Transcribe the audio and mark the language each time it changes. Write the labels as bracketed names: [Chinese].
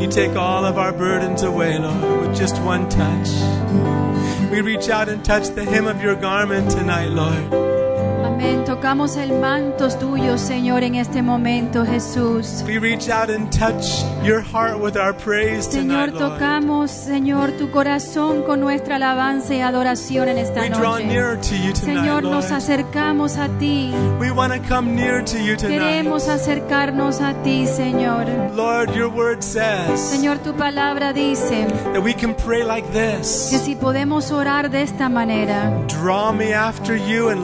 [English] You take all of our burdens away, Lord, with just one touch. We reach out and touch the hem of your garment tonight, Lord. [Spanish] Amén. Tocamos el manto tuyo, Señor, en este momento, Jesús. [English] We reach out and touch your heart with our praise tonight, [Spanish] Señor, tocamos, [English] Lord. [Spanish] Señor, tu corazón con nuestra alabanza y adoración en esta [English] we [Spanish] noche. [English] We draw nearer to you tonight, [Spanish] Señor, [English] Lord. [Spanish] Nos acercamos a ti. [English] We want to come near to you tonight. [Spanish] Queremos acercarnos a ti, Señor. [English] Lord, your word says. [Spanish] Señor, tu palabra dice. [English] That we can pray like this. [Spanish] Que si podemos orar de esta manera. [English] Draw me after you and